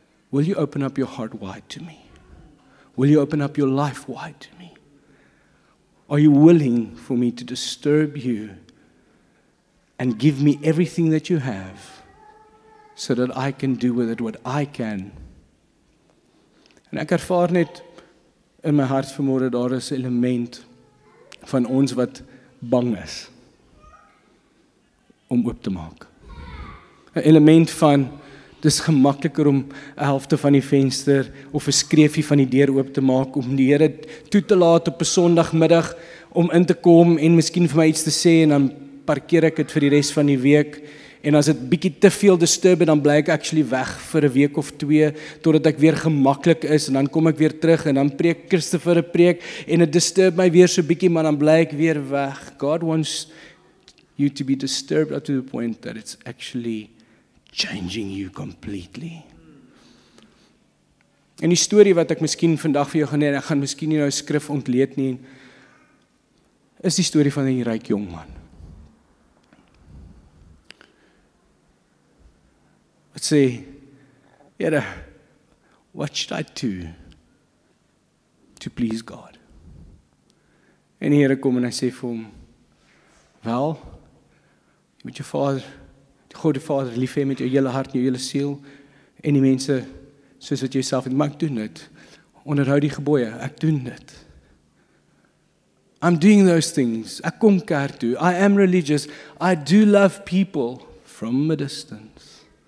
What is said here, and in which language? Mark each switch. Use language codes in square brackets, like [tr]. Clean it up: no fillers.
[en] Will you open up your heart wide to me? Will you open up your life wide to me? Are you willing for me to disturb you and give me everything that you have so that I can do with it what I can? [af] En ek ervaar net in my hart vanmôre, daar is 'n element van ons wat bang is om oop te maak. 'n Element van, dis gemakliker om 'n helfte van die venster of 'n skreefie van die deur oop te maak, om die Here toe te laat op 'n Sondagmiddag om in te kom en miskien vir my iets te sê, en dan parkeer ek dit vir die res van die week. En as dit bietjie te veel disturb, dan bly ek actually weg vir 'n week of twee totdat ek weer gemaklik is, en dan kom ek weer terug en dan preek Christopher 'n preek en dit disturb my weer so bietjie, maar dan bly ek weer weg. [en] God wants you to be disturbed up to the point that it's actually changing you completely. [af] En die storie wat ek miskien vandag vir jou gaan neer, ek gaan miskien nie nou skrif ontleed nie, is die storie van 'n ryk jong man. Wat sê, Here, [en] what should I do to please God? [af] En die Here kom en hy sê vir hom, wel, jy moet jou vader, die God die Vader, lief hê met jou hele hart en jou hele siel, en die mense, soos wat jy self het, maar ek doen dit, onderhou die gebooie, ek doen dit. [en] I'm doing those things, [af] ek kom kerk toe, [en] I am religious, I do love people from a distance.